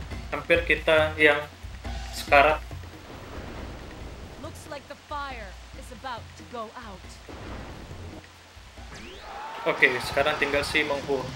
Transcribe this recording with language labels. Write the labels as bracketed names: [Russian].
[Indonesian] Hampir kita yang sekarat. [English] Looks like the fire is about to go out. [Indonesian] Oke, sekarang tinggal si Manghuo.